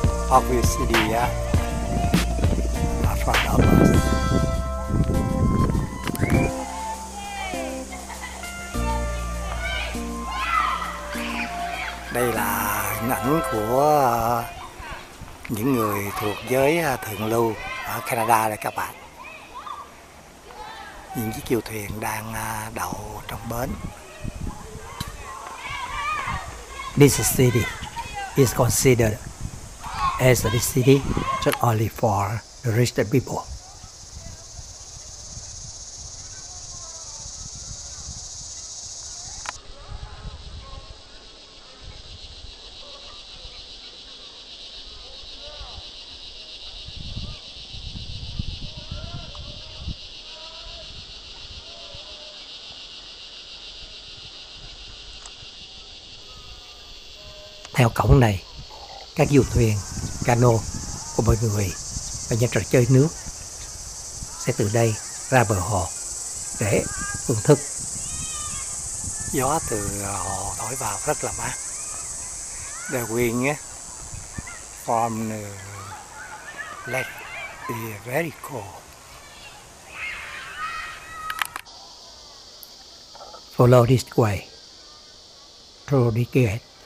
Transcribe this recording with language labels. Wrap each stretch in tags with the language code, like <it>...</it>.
<vi>Oakville City á. Và phần đó là đây là hình ảnh của những người thuộc giới thượng lưu ở Canada đây các bạn. Những chiếc du thuyền đang đậu trong bến.</vi> <en>This city is considered as a city just only for the rich people.</en> <vi>Theo cổng này, các du thuyền, cano của mọi người và những trò chơi nước sẽ từ đây ra bờ hồ để thưởng thức. Gió từ hồ thổi vào rất là mát.</vi> <en>The wind from the lake is very cold. Follow this way through the gate.</en>